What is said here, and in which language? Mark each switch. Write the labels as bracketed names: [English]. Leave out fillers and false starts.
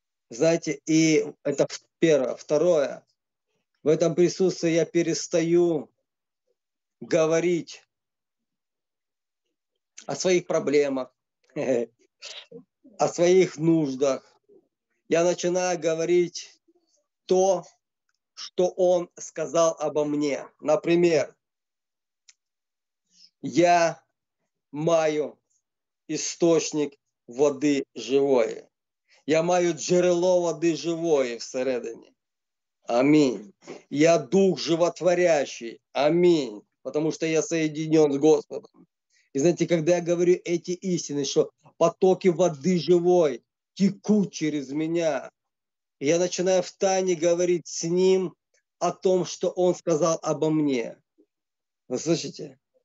[Russian] Знаете, и это первое. Второе. В этом присутствии я перестаю говорить о своих проблемах, о своих нуждах. Я начинаю говорить то, что он сказал обо мне. Например, я [Ukrainian] маю [Russian] источник воды живой. [Ukrainian] Я маю джерело [Russian] воды живой [Ukrainian] всередині. [Russian] Аминь. Я дух животворящий. Аминь. Потому что я соединен с Господом. И знаете, когда я говорю эти истины, что потоки воды живой текут через меня, я начинаю втайне говорить с ним о том, что он сказал обо мне. Вы слышите?